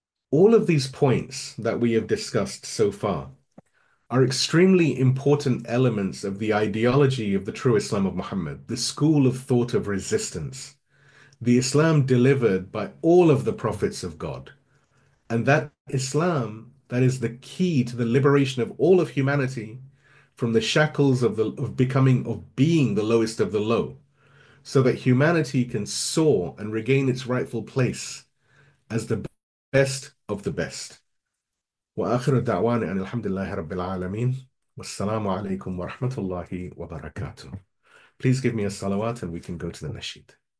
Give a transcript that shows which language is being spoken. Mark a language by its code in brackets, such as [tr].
[en] All of these points that we have discussed so far are extremely important elements of the ideology of the true Islam of Muhammad, the school of thought of resistance, the Islam delivered by all of the prophets of God, and that Islam that is the key to the liberation of all of humanity from the shackles of being the lowest of the low, so that humanity can soar and regain its rightful place as the best of the best. [ar] وآخر الدعوان أن الحمد لله رب العالمين والسلام عليكم ورحمة الله وبركاته. [en] Please give me a salawat and we can go to the nasheed.